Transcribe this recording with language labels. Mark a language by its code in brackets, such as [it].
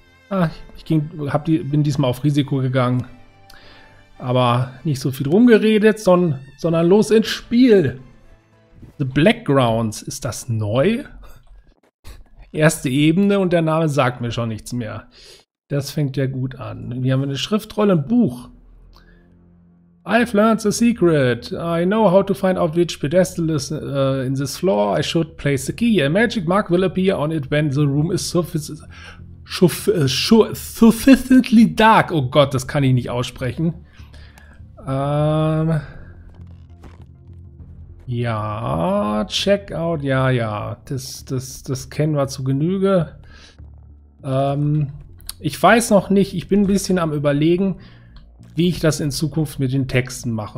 [de] Ah, bin diesmal auf Risiko gegangen. Aber nicht so viel rumgeredet, sondern los ins Spiel. The Blackgrounds, ist das neu? Erste Ebene und der Name sagt mir schon nichts mehr. Das fängt ja gut an. Hier haben wir eine Schriftrolle, ein Buch. [en] I've learned the secret. I know how to find out which pedestal is in this floor. I should place the key. A magic mark will appear on it when the room is sufficiently dark. [de] Oh Gott, das kann ich nicht aussprechen. Ja, [en] check out. [de] Ja. Das kennen wir zu Genüge. Ich weiß noch nicht. Ich bin ein bisschen am Überlegen, wie ich das in Zukunft mit den Texten mache.